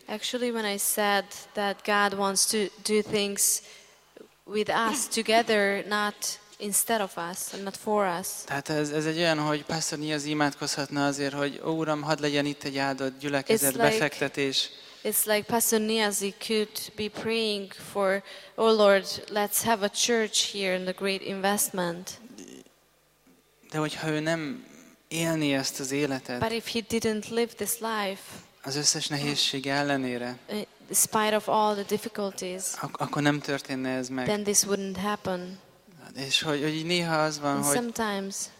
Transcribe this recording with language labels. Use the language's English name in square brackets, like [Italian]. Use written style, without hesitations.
[English] Actually, when I said that God wants to do things with us together, not instead of us, and not for us. [Hungarian] Tehát ez egy olyan, hogy Pastor Niazi imádkozhatna azért, hogy ó, Uram, hadd legyen itt egy áldott gyülekezet, befektetés. [English] It's like Pastor Niazi could be praying for, oh Lord, let's have a church here and a great investment. [Hungarian] De hogyha ő nem élni ezt az életet, [English] but if he didn't live this life, [Hungarian] az összes nehézség ellenére, [English] in spite of all the difficulties, [Hungarian] akkor nem történne ez meg. [English] Then this wouldn't happen. [Hungarian] És hogy néha az van, [English] and [Hungarian] hogy [English] sometimes,